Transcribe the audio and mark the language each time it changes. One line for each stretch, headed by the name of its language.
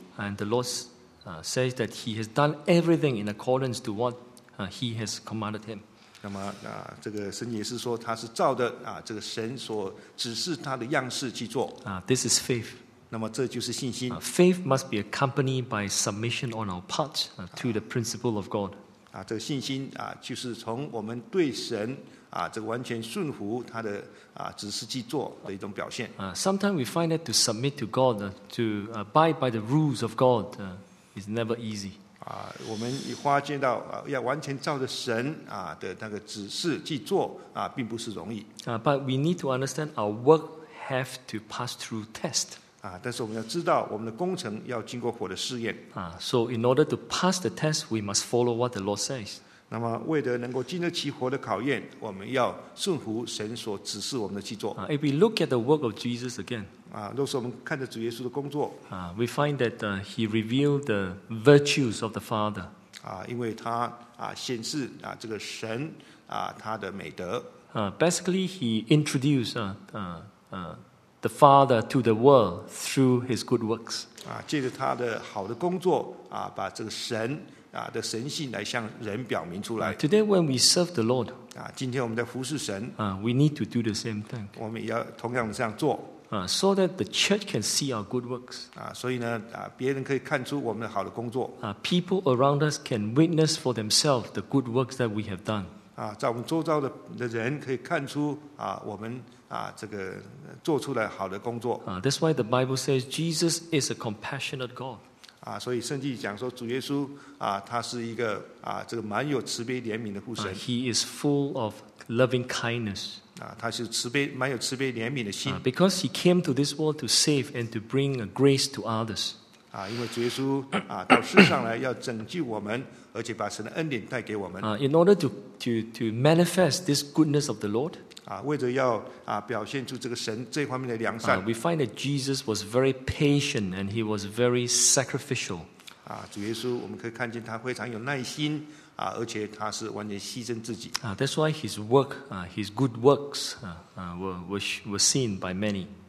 English: and the Lord says that he has done everything in accordance to what he has commanded him.
Chinese: 那么这个神也是说他是照着这个神所指示他的样式去做
English: This is faith.
Chinese: 那么这就是信心
English: Faith must be accompanied by submission on our part to the principle of God.
Chinese: 这个信心就是从我们对神这个完全顺服他的指示去做的一种表现。
English: Sometimes we find that to submit to God, to abide by the rules of God, is never easy.
Chinese: 我们发现到要完全照着神的那个指示去做并不是容易。
English: But we need to understand our work have to pass through test.
Chinese: 但是我们要知道我们的工程要经过火的试验。
English: So in order to pass the test, we must follow what the Lord says.
Chinese: 那么为了能够经得起火的考验我们要顺服神所指示我们的去做。
English: If we look at the work of Jesus again,
Chinese: 若是我们看着主耶稣的工作
English: we find that he revealed the virtues of the Father.
Chinese: 因为他显示这个神他的美德。
English: Basically, he introduced the Father to the world through his good works.
Chinese: 借着他的好的工作把这个神的神性来向人表明出来。
English: Today when we serve the Lord,
Chinese: 今天我们在服侍神
English: we need to do the same thing.
Chinese: 我们也要同样的这样做
English: so that the church can see our good works.
Chinese: 所以呢别人可以看出我们的好的工作
English: people around us can witness for themselves the good works that we have done.
Chinese: 在我们周遭的人可以看出我们这个做出来好的工作
English: that's why the Bible says Jesus is a compassionate God.
Chinese: 所以圣经讲说主耶稣他是一个这个蛮有慈悲怜悯的父神。
English: He is full of loving kindness.
Chinese: 他是蛮有慈悲怜悯的心。
English: Because he came to this world to save and to bring a grace to others.
Chinese: 因为主耶稣到世上来要拯救我们而且把神的恩典带给我们。
English: In order to manifest this goodness of the Lord,
Chinese: 为着要表现出这个神这方面的良善
English: we find that Jesus was very patient and he was very sacrificial.
Chinese: 主耶稣我们可以看见他非常有耐心而且他是完全牺牲自己
English: that's why his good works were seen by many.